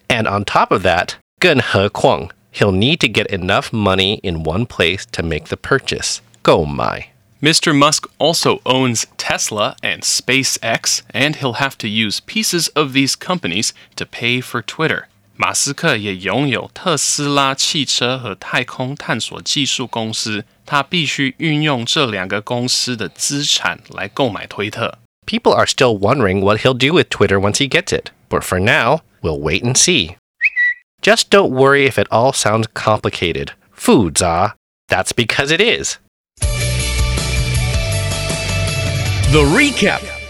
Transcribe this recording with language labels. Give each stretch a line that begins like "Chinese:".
English: And on top of that,
Chinese: 更何况,
English: he'll need to get enough money in one place to make the purchase,
Chinese: 购买.
English: Mr. Musk also owns Tesla and SpaceX, and he'll have to use pieces of these companies to pay for Twitter.
Chinese: 马斯克也拥有特斯拉汽车和太空探索技术公司，他必须运用这两个公司的资产来购买推特。
English: People are still wondering what he'll do with Twitter once he gets it, but for now, we'll wait and see. Just don't worry if it all sounds complicated.
Chinese: 复杂,
English: that's because it is. The Recap.